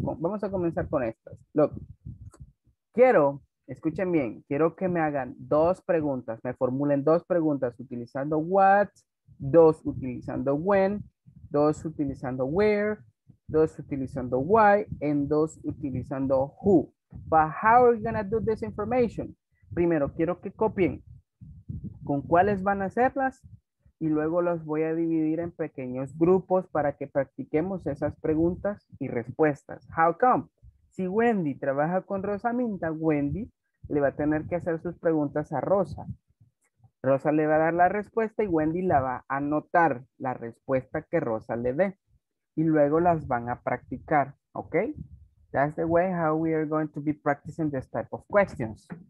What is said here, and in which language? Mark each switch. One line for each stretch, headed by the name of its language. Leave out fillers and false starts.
Spanish: Vamos a comenzar con estas. Look, quiero, escuchen bien, quiero que me hagan dos preguntas, me formulen dos preguntas utilizando what, dos utilizando when, dos utilizando where, dos utilizando why, and dos utilizando who.
English: But how are you going to do this information?
Spanish: Primero, quiero que copien. ¿Con cuáles van a hacerlas? Y luego las voy a dividir en pequeños grupos para que practiquemos esas preguntas y respuestas. How come? Si Wendy trabaja con Rosa Minta, Wendy le va a tener que hacer sus preguntas a Rosa. Rosa le va a dar la respuesta y Wendy la va a anotar la respuesta que Rosa le dé. Y luego las van a practicar, ¿ok?
English: That's the way how we are going to be practicing this type of questions.